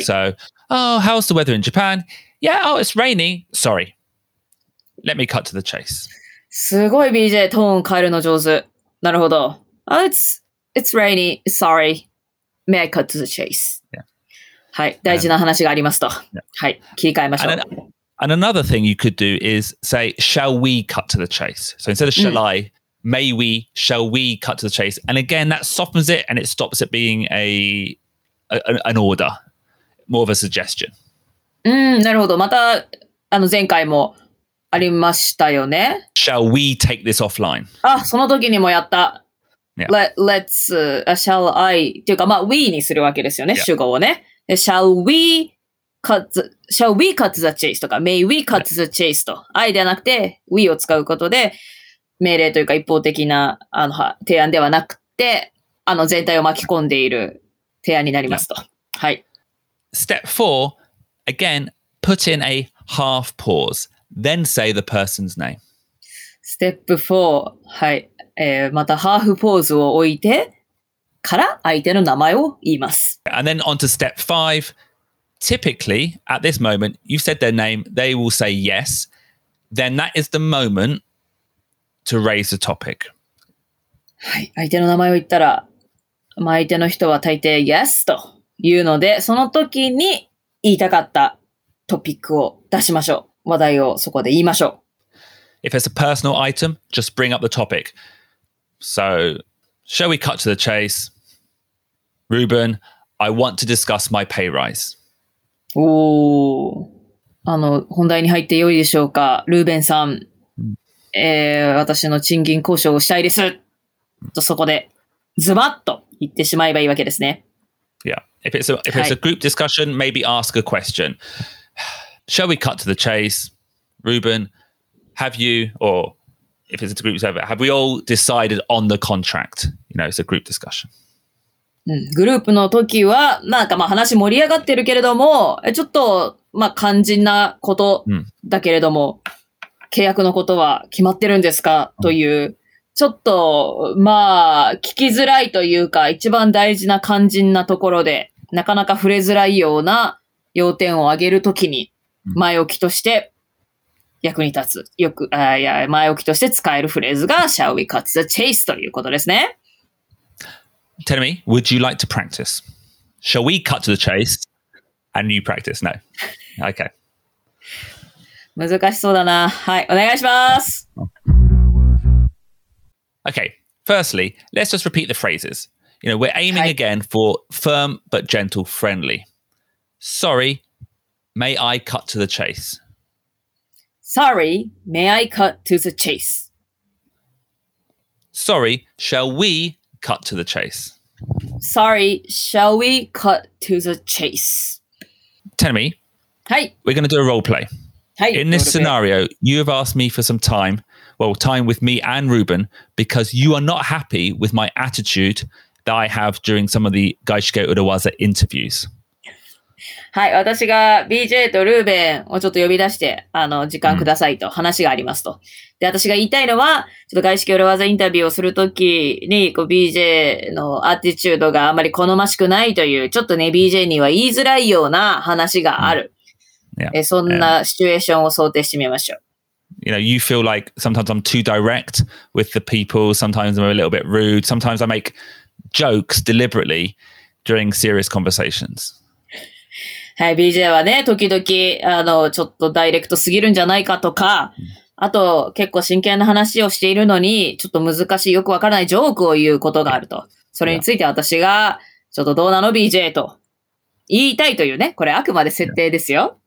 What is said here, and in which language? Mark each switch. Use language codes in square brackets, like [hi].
[en] so, oh, how's the weather in Japan? Yeah, oh, it's raining. Sorry. Let me cut to the chase. [ja] すごい BJ、トーン変えるの上手。なるほど。 [en] Oh, it's rainy. Sorry. May I cut to the chase? Yeah. [ja] はい、大事な話がありますと。 [en] Yeah. [ja] はい、切り替えましょう。 [en] And another thing you could do is say, shall we cut to the chase? So instead of shall I, may we, shall we cut to the chase? And again, that softens it and it stops it being an order. More of a suggestion. [ja] なるほど。また、前回もありましたよね。 [en] Shall we take this offline? [ja] あ、その時にもやった。 [en] Yeah. Shall I? [ja] っていうか、まあ、we にするわけですよね、 [en] yeah. [ja] 主語をね。 [en] Shall we cut the chase? [ja] とか、 [en] may we cut the chase? [ja] と。 I ではなくて、we を使うことで、命令というか一方的な提案ではなくて、全体を巻き込んでいる提案になりますと。 [en] Yeah. [ja] はい。 [en] Step four, again, put in a half pause, then say the person's name. Step four, [ja] はい、またハーフポーズを置いてから相手の名前を言います。 [en] And then on to step five. Typically, at this moment, you've said their name, they will say yes. Then that is the moment to raise the topic. [ja] はい、相手の名前を言ったら、まあ、相手の人は大抵 yes と。言うので、その時に言いたかったトピックを出しましょう。話題をそこで言いましょう。 [en] If it's a personal item, just bring up the topic. So, shall we cut to the chase? Ruben, I want to discuss my pay rise. [ja] おー。あの、本題に入ってよいでしょうか。ルーベンさん。私の賃金交渉をしたいです。とそこで、ズバッと言ってしまえばいいわけですね。 [en] Yeah. If it's a group discussion, maybe ask a question. Shall we cut to the chase? Ruben, have you, or if it's a group discussion, have we all decided on the contract? You know, it's a group discussion. [ja] うん、グループの時は、なんかまあ話盛り上がってるけれども、ちょっとまあ肝心なことだけれども、うん、契約のことは決まってるんですかという、ちょっとまあ聞きづらいというか、一番大事な肝心なところで、なかなか触れづらいような要点を挙げるときに、前置きとして役に立つ、よく、あ、いや、前置きとして使えるフレーズが、 [en] Shall we cut the chase [ja] ということですね。 [en] Tell me, would you like to practice? Shall we cut to the chase and you practice? No. Okay. [ja] 難しそうだな。はい、お願いします。 [en] Okay, firstly, let's just repeat the phrases. You know, we're aiming、 [ja] はい、 [en] again for firm but gentle friendly. Sorry, may I cut to the chase? Sorry, may I cut to the chase? Sorry, shall we cut to the chase? Sorry, shall we cut to the chase? Tell me. Hey. We're going to do a role play. Hey. In this scenario, you have asked me for some time, well, time with me and Ruben, because you are not happy with my attitude that I have during some of the Gaishike Urawaza interviews. [ja] はい、私が BJ とルーベンをちょっと呼び出して、あの、時間くださいと話がありますと。で、私が言いたいのは、ちょっと外資系裏技インタビューをするときに、こう BJ のアティチュードがあまり好ましくないという、ちょっとね、BJ には言いづらいような話がある。 [en] Yeah. [ja] そんなシチュエーションを想定してみましょう。 [en] You know, you feel like sometimes I'm too direct with the people, sometimes I'm a little bit rude, sometimes I make jokes deliberately during serious conversations. [ja] はい、BJ はね、時々、あの、ちょっとダイレクトすぎるんじゃないかとか、あと、結構真剣な話をしているのに、ちょっと難しい、よくわからないジョークを言うことがあると。それについて私が、ちょっとどうなの BJ と言いたいというね、これあくまで設定ですよ。